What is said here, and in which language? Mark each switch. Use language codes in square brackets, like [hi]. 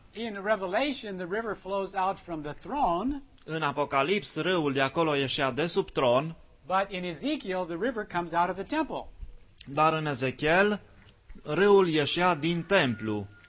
[en] In Revelation, the river flows out from the throne. [ro] În Apocalips, râul de acolo ieșea de sub tron. [en] But in Ezekiel, the river comes out of the temple. [ro] Dar în Ezechiel, râul ieșea din templu.